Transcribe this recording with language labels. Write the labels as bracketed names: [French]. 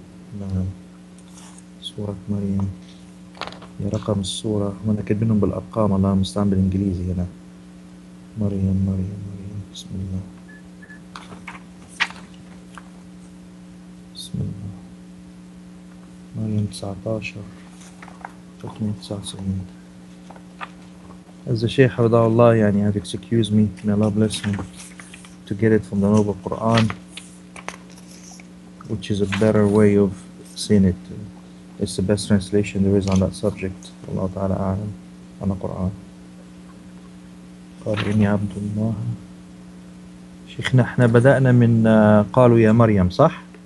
[Arabic] نعم سورة مريم يا رقم السورة وانا كاتبينهم بالارقام الله المستعان بالانجليزي هنا مريم مريم مريم بسم الله بسم الله مريم 19 399. [English] As the Shaykh [Arabic] رضاه الله يعني [English] have excused me, may Allah bless him, to get it from the noble Quran, which is a better way of seen it. It's the best translation there is on that subject. [Arabic] Allah Ta'ala A'lam [English] on the Quran. [Arabic] قال إني عبد الله شيخنا احنا بدأنا من قالوا يا مريم صح؟